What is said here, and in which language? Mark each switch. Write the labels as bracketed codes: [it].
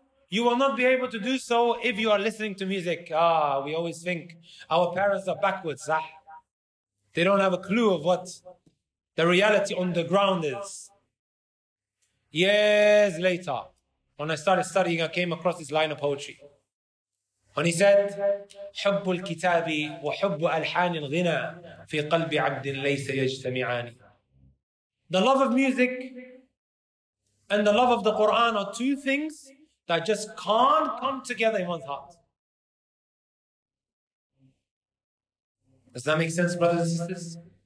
[en] You will not be able to do so if you are listening to music." Ah, we always think our parents are backwards. Ah. They don't have a clue of what the reality on the ground is. Years later, when I started studying, I came across this line of poetry. And he said, [ar] حُبُّ الْكِتَابِ وَحُبُّ أَلْحَانِ الْغِنَى فِي قَلْبِ عَبْدٍ لَيْسَ يَجْتَمِعَانِ. [en] The love of music and the love of the Quran are two things that just can't come together in one's heart. Does that make sense, brothers and sisters?